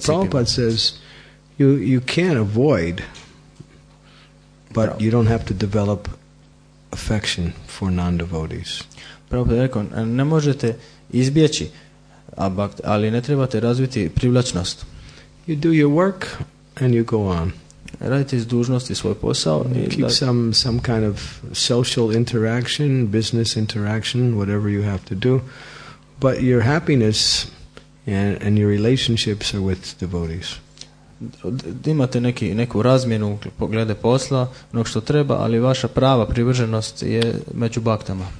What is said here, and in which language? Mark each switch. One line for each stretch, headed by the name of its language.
English: So Prabhupada says, you can't avoid, but you don't have to develop affection for non-devotees.
Croatian: Prabhupada rekao, ne možete izbjeći, ali ne trebate razviti privlačnost.
English: You do your work and you go on.
Croatian: Radite iz dužnosti svoj posao.
English: Keep some kind of social interaction, business interaction, whatever you have to do. But your happiness and your relationships are with devotees.
Croatian: Imate neku razmjenu glede posla, onog što treba, ali vaša prava privrženost je među bhaktama.